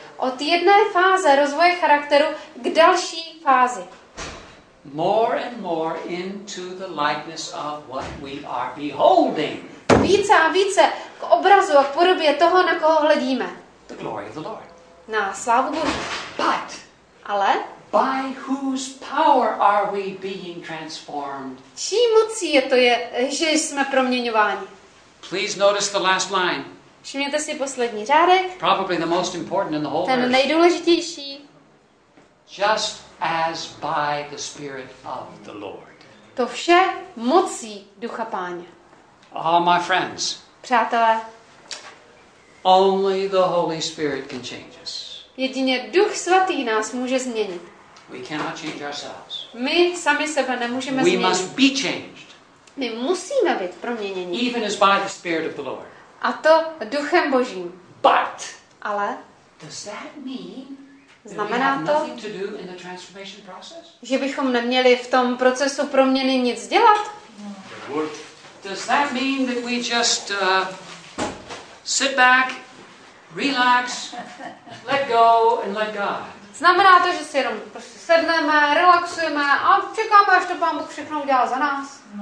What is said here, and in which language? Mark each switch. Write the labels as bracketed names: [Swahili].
[Czech] Od jedné fáze rozvoje charakteru k další fázi. [English] More and more into the likeness of what we are beholding. [Czech] Více a více k obrazu a k podobě toho, na koho hledíme. [English] The glory of the Lord. [Czech] Na slávu Boží. [English] But, [Czech] ale [English] by whose power are we being transformed? [Czech] Čí mocí je to, že jsme proměňováni? [English] Please notice the last line. [Czech] Všimněte si poslední řádek. [English] Probably the most important in the whole verse. [Czech] Ten nejdůležitější. [English] Just as by the Spirit of the Lord. [Czech] To vše mocí Ducha Páně. [English] Ah, my friends. [Czech] Přátelé. [English] Only the Holy Spirit can change us. [Czech] Jedině Duch svatý nás může změnit. [English] We cannot change ourselves. [Czech] My sami sebe nemůžeme [English] we [Czech] změnit. [English] We must be changed. [Czech] My musíme být proměněni. [English] Even as by the Spirit of the Lord. [Czech] A to Duchem Božím. [English] But. [Czech] Ale. [English] Does that mean? [Czech] Znamená to, [English] to do in the transformation process? [Czech] Že bychom neměli v tom procesu proměny nic dělat? [English] Does that mean that we just sit back, relax, let go and let God? [Czech] Znamená to, že si jenom prostě sedneme, relaxujeme a čekáme, až to Pán Bůh všechno udělá za nás.